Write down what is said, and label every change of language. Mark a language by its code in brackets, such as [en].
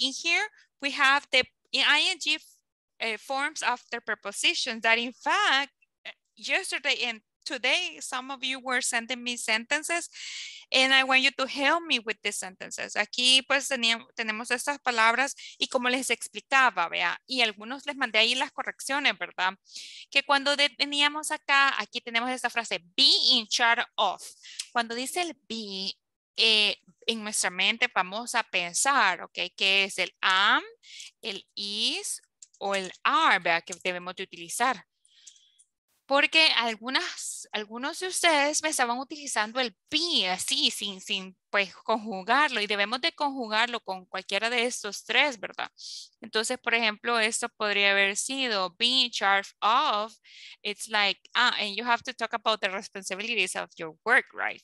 [en] In here, we have the ing forms of the prepositions that in fact, yesterday and today, some of you were sending me sentences and I want you to help me with the sentences. [es] Aquí pues tenemos estas palabras y como les explicaba, vea, y algunos les mandé ahí las correcciones, ¿verdad? Que cuando teníamos acá, aquí tenemos esta frase, be in charge of. Cuando dice el be, en nuestra mente vamos a pensar, ¿ok? ¿Qué es el am, el is o el are, vea, que debemos de utilizar? Porque algunos de ustedes me estaban utilizando el be así, sin pues conjugarlo. Y debemos de conjugarlo con cualquiera de estos tres, ¿verdad? Entonces, por ejemplo, esto podría haber sido be in charge of. [en] It's like, and you have to talk about the responsibilities of your work, right?